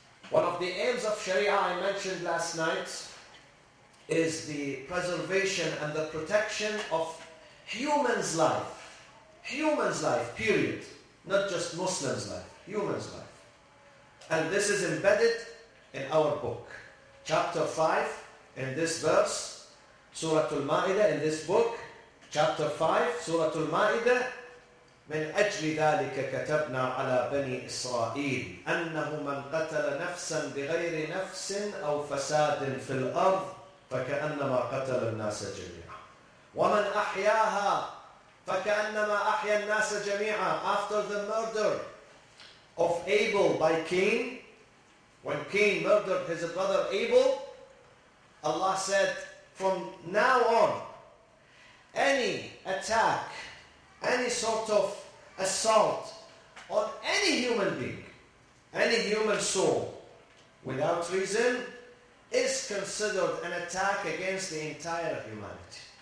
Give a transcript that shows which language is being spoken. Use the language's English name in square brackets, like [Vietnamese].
[English] One of the aims of Sharia I mentioned last night is the preservation and the protection of human's life. Human's life, period. Not just Muslim's life, human's life. And this is embedded in our book. Chapter 5, in this verse, Surah Al-Ma'idah, [Arabic] in this book, Chapter 5, Surah Al-Ma'idah, من أجل ذلك كتبنا على بني إسرائيل أنه من قتل نفسا بغير نفس أو فساد في الأرض فكأنما قتل الناس جميعا ومن أحياها فكأنما أحيا الناس جميعا. [English] After the murder of Abel by Cain, when Cain murdered his brother Abel, Allah said, from now on, any attack, any sort of assault on any human being, any human soul, without reason, is considered an attack against the entire humanity.